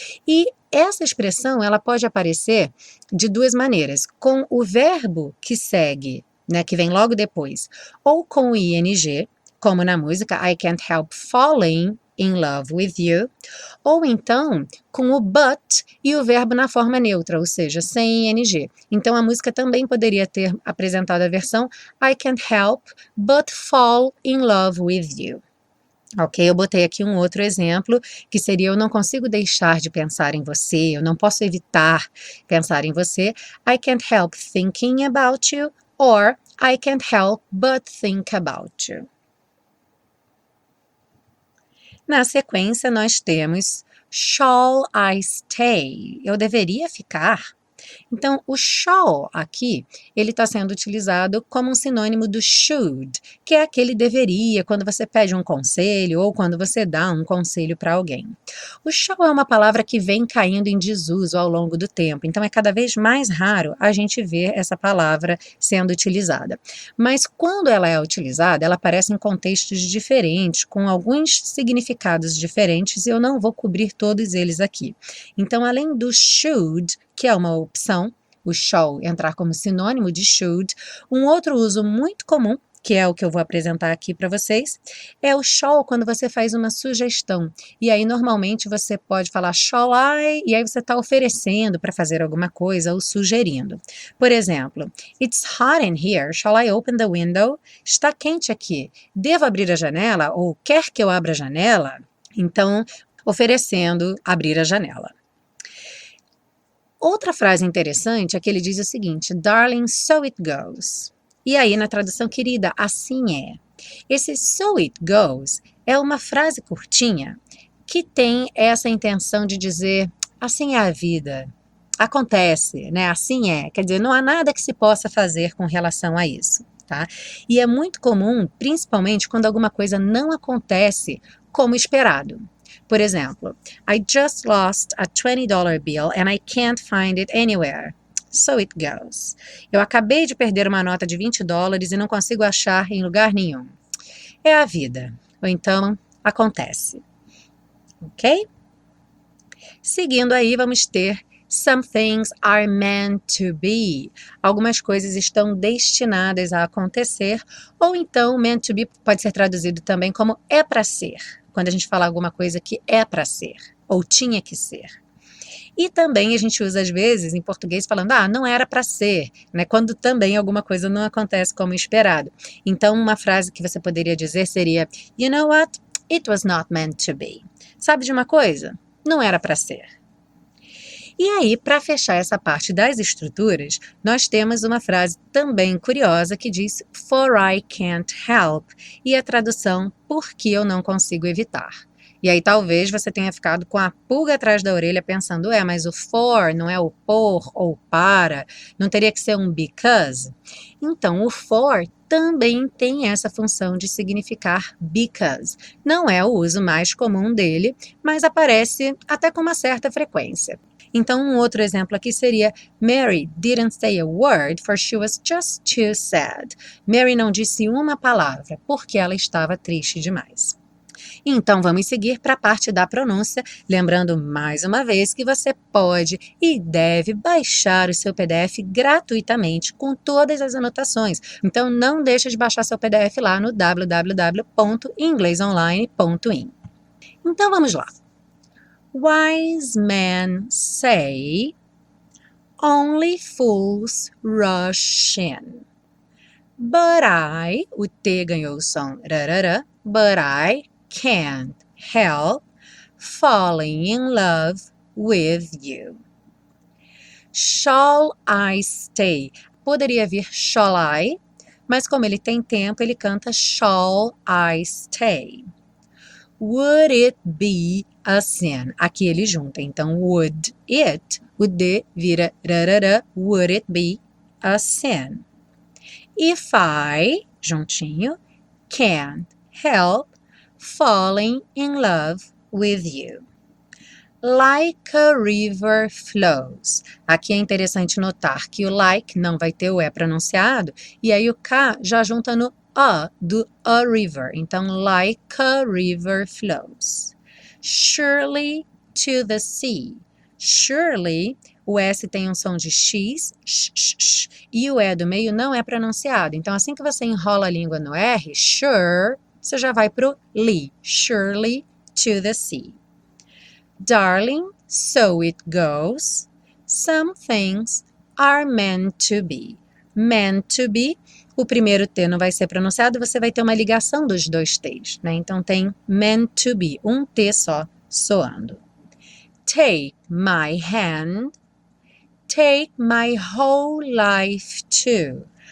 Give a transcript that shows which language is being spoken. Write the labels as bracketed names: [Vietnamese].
[Portuguese] E essa expressão, ela pode aparecer de duas maneiras, com o verbo que segue, né, que vem logo depois, ou com o ing, como na música, [English] I can't help falling in love with you, [Portuguese] ou então com o but e o verbo na forma neutra, ou seja, sem ing. Então a música também poderia ter apresentado a versão [English] I can't help but fall in love with you. [Portuguese] Ok, eu botei aqui um outro exemplo, que seria eu não consigo deixar de pensar em você, eu não posso evitar pensar em você. [English] I can't help thinking about you, or I can't help but think about you. [Portuguese] Na sequência, nós temos [English] shall I stay? [Portuguese] Eu deveria ficar? Então, o shall aqui, ele está sendo utilizado como um sinônimo do should, que é aquele deveria quando você pede um conselho ou quando você dá um conselho para alguém. O shall é uma palavra que vem caindo em desuso ao longo do tempo, então é cada vez mais raro a gente ver essa palavra sendo utilizada. Mas quando ela é utilizada, ela aparece em contextos diferentes, com alguns significados diferentes, e eu não vou cobrir todos eles aqui. Então, além do should, que é uma opção, o shall entrar como sinônimo de should, um outro uso muito comum, que é o que eu vou apresentar aqui para vocês, é o shall quando você faz uma sugestão. E aí, normalmente, você pode falar shall I, e aí você está oferecendo para fazer alguma coisa ou sugerindo. Por exemplo, [English] it's hot in here, shall I open the window? [Portuguese] Está quente aqui, devo abrir a janela ou quer que eu abra a janela? Então, oferecendo abrir a janela. Outra frase interessante é que ele diz o seguinte, [English] darling, so it goes. [Portuguese] E aí, na tradução, querida, assim é. Esse so it goes é uma frase curtinha que tem essa intenção de dizer, assim é a vida, acontece, né? Assim é. Quer dizer, não há nada que se possa fazer com relação a isso, tá? E é muito comum, principalmente quando alguma coisa não acontece como esperado. Por exemplo, [English] I just lost a $20 bill and I can't find it anywhere. So it goes. [Portuguese] Eu acabei de perder uma nota de $20 e não consigo achar em lugar nenhum. É a vida. Ou então, acontece. Ok? Seguindo aí, vamos ter [English] Some things are meant to be. [Portuguese] Algumas coisas estão destinadas a acontecer, ou então meant to be pode ser traduzido também como é para ser, quando a gente fala alguma coisa que é para ser ou tinha que ser. E também a gente usa às vezes em português falando, ah, não era para ser, né? Quando também alguma coisa não acontece como esperado. Então, uma frase que você poderia dizer seria, [English] you know what? It was not meant to be. [Portuguese] Sabe de uma coisa? Não era para ser. E aí, para fechar essa parte das estruturas, nós temos uma frase também curiosa que diz [English] For I can't help, [Portuguese] e a tradução porque eu não consigo evitar. E aí talvez você tenha ficado com a pulga atrás da orelha pensando, é, mas o for não é o por ou para, não teria que ser um because? Então, o for também tem essa função de significar because. Não é o uso mais comum dele, mas aparece até com uma certa frequência. Então, um outro exemplo aqui seria [English] Mary didn't say a word for she was just too sad. [Portuguese] Mary não disse uma palavra porque ela estava triste demais. Então, vamos seguir para a parte da pronúncia, lembrando mais uma vez que você pode e deve baixar o seu PDF gratuitamente com todas as anotações. Então, não deixe de baixar seu PDF lá no www.inglesonline.in. Então, vamos lá. [English] Wise men say, only fools rush in. But I, [Portuguese] o T ganhou o som, rarara, [English] but I can't help falling in love with you. Shall I stay? [Portuguese] Poderia vir shall I, mas como ele tem tempo, ele canta [English] shall I stay. Would it be a sin? [Portuguese] Aqui ele junta, então [English] would it, [Portuguese] o D vira rarara, [English] would it be a sin? If I, juntinho, can't help falling in love with you. Like a river flows. [Portuguese] Aqui é interessante notar que o like não vai ter o E pronunciado, e aí o K já junta no A do a river. [English] Então, like a river flows. Surely to the sea. [Portuguese] Surely, o S tem um som de X, sh, sh, sh, e o E do meio não é pronunciado. Então, assim que você enrola a língua no R, sure, você já vai para o li. [English] Surely to the sea. Darling, so it goes. Some things are meant to be. Meant to be. [Portuguese] O primeiro T não vai ser pronunciado, você vai ter uma ligação dos dois T's, né? Então tem meant to be, um T só soando. [English] Take my hand, take my whole life too.